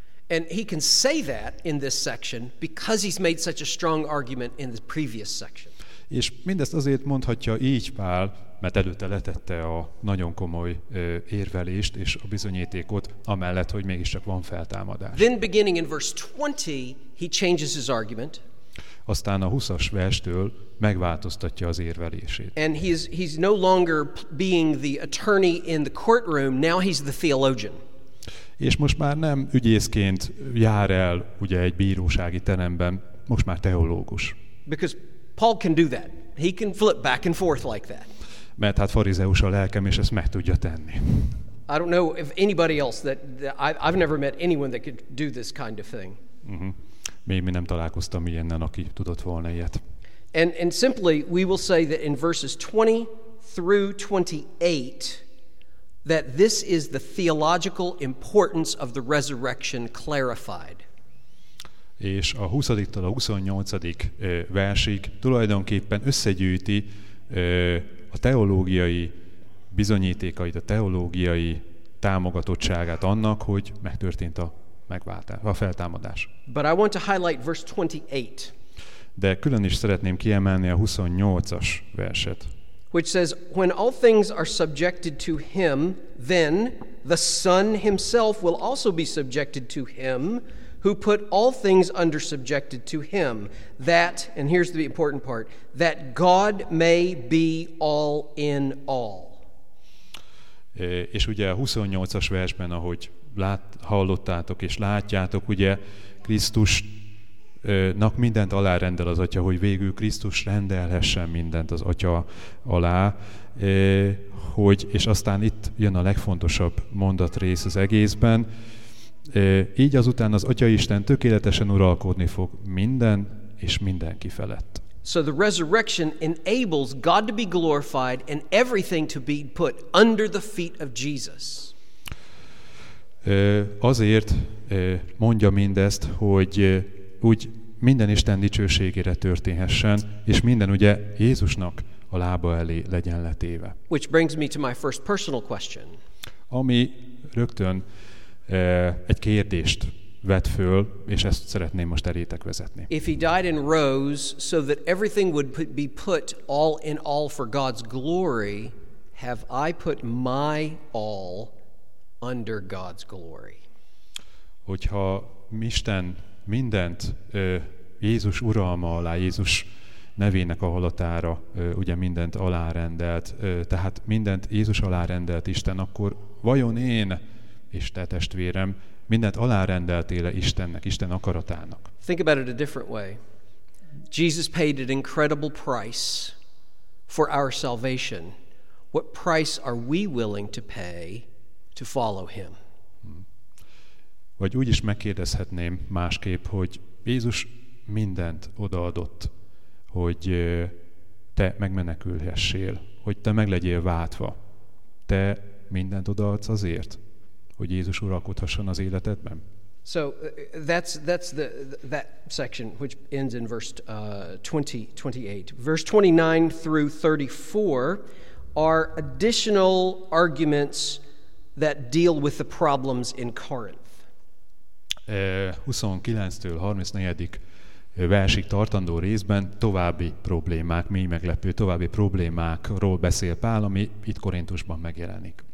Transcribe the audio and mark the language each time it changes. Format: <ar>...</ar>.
<en>And he can say that in this section because he's made such a strong argument in the previous section.</en> <hu>És mindezt azért mondhatja így Pál, mert előtte letette a nagyon komoly érvelést és a bizonyítékot amellett, hogy mégiscsak van feltámadás.</hu> <en>Then beginning in verse 20, he changes his argument.</en> <hu>Aztán a 20-as verstől megváltoztatja az érvelését.</hu> <en>And he's no longer being the attorney in the courtroom, now he's the theologian.</en> <hu>És most már nem ügyészként jár el ugye egy bírósági teremben, most már teológus.</hu> <en>Because Paul can do that. He can flip back and forth like that.</en> <hu>Mert hát farizeus a lelkem, és ezt meg tudja tenni.</hu> <en>I don't know if anybody else I've never met anyone that could do this kind of thing. Uh-huh.</en> <hu>Még mi nem találkoztam ilyennel, aki tudott volna ilyet.</hu> <en>And simply we will say that in verses 20 through 28 that this is the theological importance of the resurrection clarified.</en> <hu>És a 20-tól a 28. versig tulajdonképpen összegyűjti a teológiai bizonyítékait, a teológiai támogatottságát annak, hogy megtörtént a megváltás, a feltámadás.</hu> <en>But I want to highlight verse 28.</en> <hu>De külön is szeretném kiemelni a 28-as verset.</hu> <en>which says, when all things are subjected to him, then the Son himself will also be subjected to him who put all things under subjected to him, that, and here's the important part, that God may be all in all.</en> <hu>És ugye a 28-as versben, ahogy hallottátok és látjátok, ugye Krisztusnak mindent alárendel az Atya, hogy végül Krisztus rendelhessen mindent az Atya alá, hogy, és aztán itt jön a legfontosabb mondatrész az egészben, így azután az Atya Isten tökéletesen uralkodni fog minden és mindenki felett.</hu> <en>So the resurrection enables God to be glorified and everything to be put under the feet of Jesus.</en> <hu>Azért mondja mindezt, hogy úgy minden Isten dicsőségére történhessen, és minden ugye Jézusnak a lába elé legyen letéve.</hu> <en>Which brings me to my first personal question.</en> <hu>Ami rögtön egy kérdést vet föl, és ezt szeretném most elétek vezetni.</hu> <en>If he died and rose so that everything would be put all in all for God's glory, have I put my all under God's glory?</en> <hu>Hogyha Isten mindent Jézus uralma alá, Jézus nevének a halatára ugye mindent alárendelt, tehát mindent Jézus alárendelt Isten, akkor vajon én és te testvérem mindent alárendeltél-e Istennek, Isten akaratának?</hu> <en>Think about it a different way. Jesus paid an incredible price for our salvation. What price are we willing to pay to follow him?</en> <hu>Vagy úgy is megkérdezhetném másképp, hogy Jézus mindent odaadott, hogy te megmenekülhessél, hogy te meglegyél váltva. Te mindent odaadsz azért, hogy Jézus uralkodhasson az életedben?</hu> <en>So that's the that section which ends in verse 28. Verse 29 through 34 are additional arguments that deal with the problems in Corinth.</en> <hu>29-től 34. versig tartandó részben további problémák, mély meglepő, további problémákról beszél Pál, ami itt Korintusban megjelenik.</hu>